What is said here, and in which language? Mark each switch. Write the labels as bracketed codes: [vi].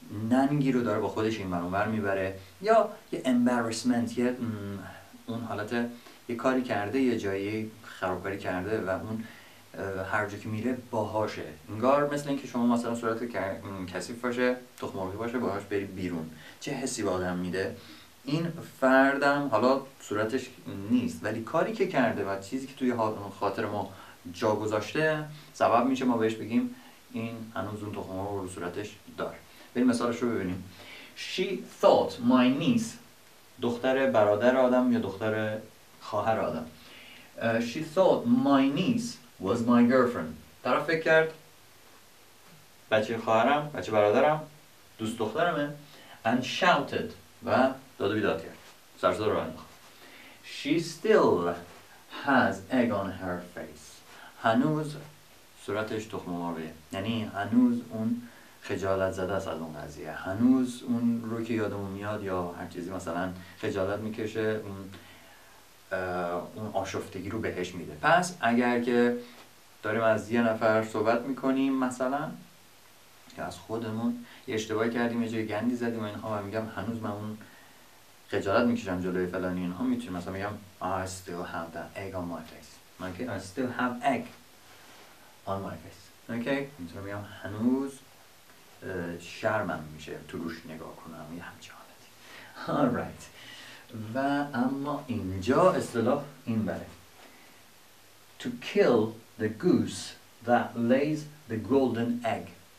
[fa] ننگی رو داره با خودش این برانور میبره، یا یه embarrassment، یه اون حالت یه کاری کرده یه جایی خرابکاری کرده و اون هر جا که میره باهاشه، انگار مثل اینکه شما مثلا صورت کثیف باشه، تخم مرغی باشه، باهاش بری بیرون. چه حسی به آدم میده؟ این فردم حالا صورتش نیست، ولی کاری که کرده و چیزی که توی خاطر ما جا گذاشته سبب میشه ما بهش بگیم این هنوز اون تخم مرغ رو صورتش داره. بریم مثالش رو ببینیم. [en] She thought my niece، [fa] دختر برادر آدم یا دختر خواهر آدم، [en] She thought my niece was my girlfriend. [fa] طرف فکر کرد بچه خواهرم، بچه برادرم، دوست دخترمه. [en] And shouted، [fa] و داد و بیداد کرد، سر صدا رو انداخت. [en] She still has egg on her face. [fa] هنوز صورتش تخم مرغه، یعنی هنوز اون خجالت زده است از اون قضیه، هنوز اون رو که یادمون میاد یا هر چیزی مثلا خجالت میکشه، اون آشفتگی رو بهش میده. پس اگر که داریم از یه نفر صحبت میکنیم مثلا که از خودمون یه اشتباهی کردیم، یه جای گندی زدیم و اینها، و میگم هنوز من اون خجالت میکشم جلوی فلانی اینها، میتونیم مثلا میگم [en] I still have that egg on my face. Okay? I still have egg on my face. Okay? [fa] میتونم میگم هنوز شرمم میشه تو روش نگاه کنم یه همچین حالتی. [en] Alright. [fa] و اما اینجا اصطلاح این بره، [en] To kill the goose that lays the golden egg.